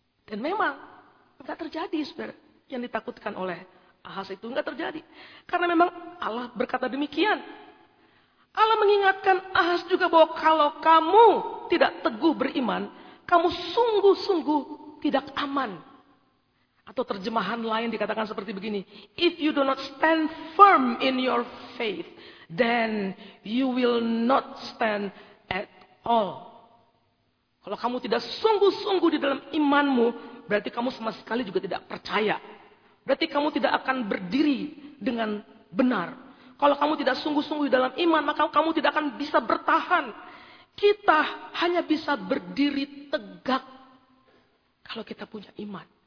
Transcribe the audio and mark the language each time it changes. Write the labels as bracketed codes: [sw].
[id] Dan memang enggak terjadi, saudara, yang ditakutkan oleh Ahaz itu enggak terjadi. Karena memang Allah berkata demikian. Allah mengingatkan Ahaz juga bahwa kalau kamu tidak teguh beriman, kamu sungguh-sungguh tidak aman. Atau terjemahan lain dikatakan seperti begini. [en] If you do not stand firm in your faith, then you will not stand at all. [id] Kalau kamu tidak sungguh-sungguh di dalam imanmu, berarti kamu sama sekali juga tidak percaya. Berarti kamu tidak akan berdiri dengan benar. Kalau kamu tidak sungguh-sungguh di dalam iman, maka kamu tidak akan bisa bertahan. Kita hanya bisa berdiri tegak kalau kita punya iman.